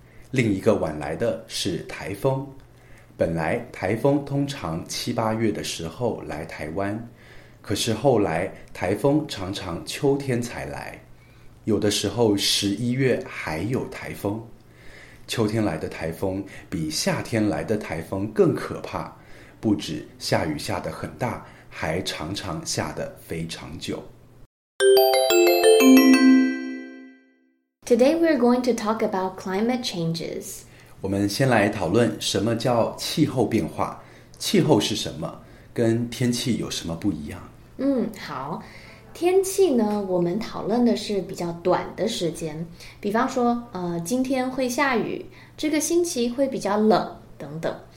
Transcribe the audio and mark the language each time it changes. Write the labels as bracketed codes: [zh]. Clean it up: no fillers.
[zh] 另一个晚来的是台风。本来台风通常七八月的时候来台湾，可是后来台风常常秋天才来，有的时候十一月还有台风。秋天来的台风比夏天来的台风更可怕，不止下雨下得很大，还常常下得非常久。 [en] Today we're going to talk about climate changes. [zh] 我们先来讨论什么叫气候变化，气候是什么，跟天气有什么不一样。好。天气呢，我们讨论的是比较短的时间，比方说今天会下雨，这个星期会比较冷等等。